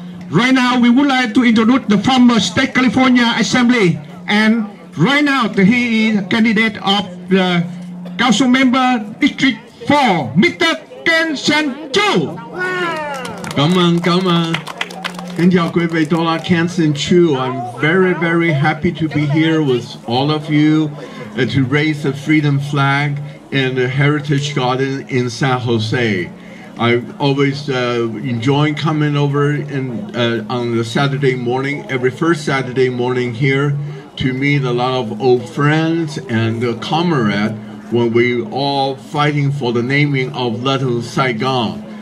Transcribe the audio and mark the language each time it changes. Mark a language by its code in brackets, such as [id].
[en] Right now, we would like to introduce the former State California Assembly. And right now, he is a candidate of the Council Member District 4, Mr. Ken San Chu. Come on. [vi] Xin chào quý vị, tôi là Ken San Chu. [en] I'm very, very happy to be here with all of you to raise the freedom flag in the Heritage Garden in San Jose. I always enjoy coming over in, on the Saturday morning, every first Saturday morning here, to meet a lot of old friends and comrades when we all fighting for the naming of Little Saigon.